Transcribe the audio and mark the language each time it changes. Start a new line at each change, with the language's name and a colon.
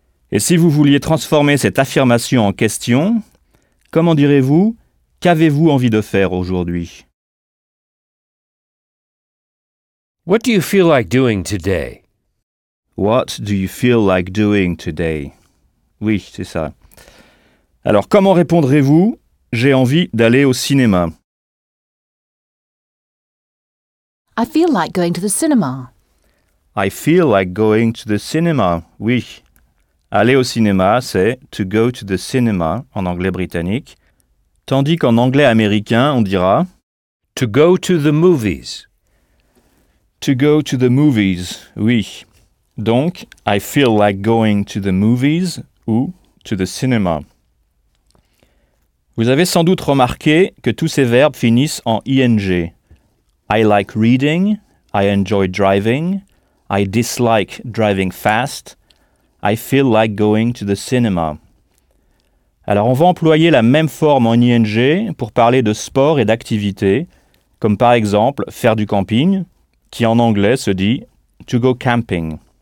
French: Et si vous vouliez transformer cette affirmation en question, comment direz-vous « qu'avez-vous envie de faire aujourd'hui ?»
English: What do you feel like doing today? What do you feel like doing today?
French: Oui, c'est ça. Alors, comment répondrez-vous « j'ai envie d'aller au cinéma »
English: I feel like going to the cinema. I feel like going to the cinema, oui.
French: Aller au cinéma, c'est
English: to go to the cinema
French: en anglais britannique, tandis qu'en anglais américain, on dira
English: to go to the movies. To go to the movies, oui. Donc, I feel like going to the movies ou to the cinema.
French: Vous avez sans doute remarqué que tous ces verbes finissent en ing.
English: I like reading, I enjoy driving, I dislike driving fast, I feel like going to the cinema.
French: Alors on va employer la même forme en ing pour parler de sport et d'activité, comme par exemple faire du camping, qui en anglais se dit
English: to go camping.